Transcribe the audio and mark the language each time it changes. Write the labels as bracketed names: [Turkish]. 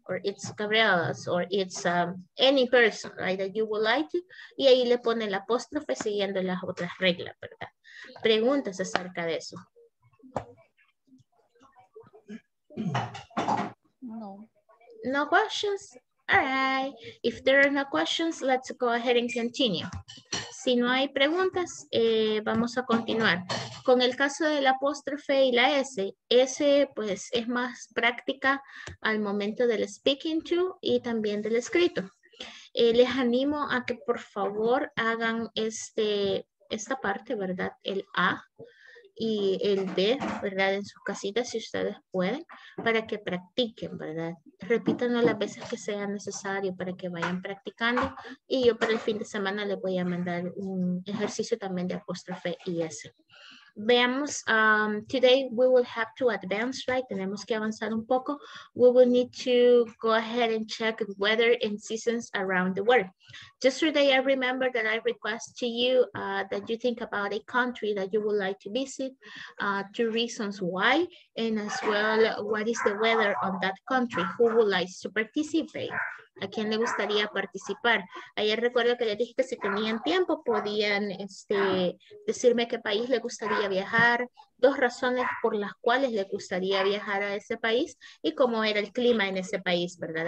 [English] Or it's Gabriela's, or it's any person, right? That you would like to. [Spanish] Y ahí le pone el apóstrofe siguiendo las otras reglas, ¿verdad? Preguntas acerca de eso. No. [English] No questions? All right. If there are no questions, let's go ahead and continue. [Spanish] Si no hay preguntas, vamos a continuar. Con el caso del apóstrofe y la S, S pues es más práctica al momento del speaking to y también del escrito. Les animo a que por favor hagan esta parte, ¿verdad? El A y el B, ¿verdad? En sus casitas, si ustedes pueden, para que practiquen, ¿verdad? Repítanlo las veces que sea necesario para que vayan practicando. Y yo para el fin de semana les voy a mandar un ejercicio también de apóstrofe y S. [English] Veamos, today we will have to advance, right? [Spanish] Tenemos que avanzar un poco. [English] We will need to go ahead and check weather and seasons around the world. Yesterday, I remember that I request to you that you think about a country that you would like to visit, two reasons why, and as well, what is the weather on that country? Who would like to participate? [Spanish] ¿A quién le gustaría participar? Ayer recuerdo que le dije que si tenían tiempo podían decirme qué país le gustaría viajar, dos razones por las cuales le gustaría viajar a ese país y cómo era el clima en ese país, ¿verdad?